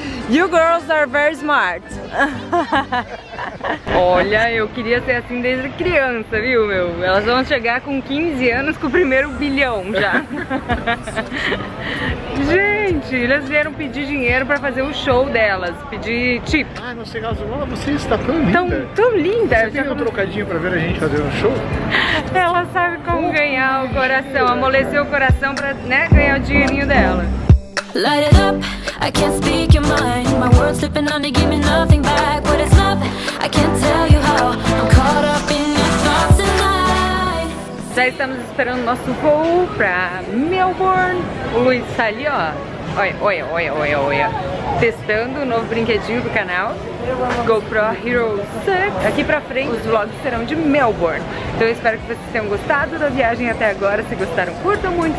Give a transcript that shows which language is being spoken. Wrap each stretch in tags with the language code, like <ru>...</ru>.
<en>You girls are very smart.</en> <pt>Olha, eu queria ser assim desde criança, viu, meu? Elas vão chegar com 15 anos com o primeiro bilhão já. Gente, elas vieram pedir dinheiro pra fazer o show delas. Pedir tip. Ah, não sei, Gasolola, você está tão linda. Tão linda. Você tem um trocadinho pra ver a gente fazer um show? Ela sabe como ganhar o coração, amolecer o coração pra, né, ganhar o dinheirinho dela.</pt> <en>Light it up, I can't speak your mind. My world's slipping under, give me nothing back. What is love? I can't tell you how. I'm caught up in your thoughts tonight.</en> <pt>Já estamos esperando o nosso voo pra Melbourne. O Luiz está ali, ó. Olha. Testando o novo brinquedinho do canal. GoPro Hero 6. Aqui pra frente, os vlogs serão de Melbourne. Então eu espero que vocês tenham gostado da viagem até agora. Se gostaram, curtam muito.</pt>